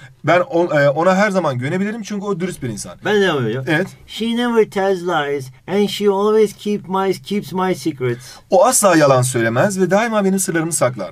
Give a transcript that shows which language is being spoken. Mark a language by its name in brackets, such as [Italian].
[Turkish] Ben ona her zaman güvenebilirim çünkü o dürüst bir insan. Ben de yapıyorum. Evet. [English] She never tells lies and she always keeps my secrets. [Turkish] O asla yalan söylemez ve daima benim sırlarımı saklar.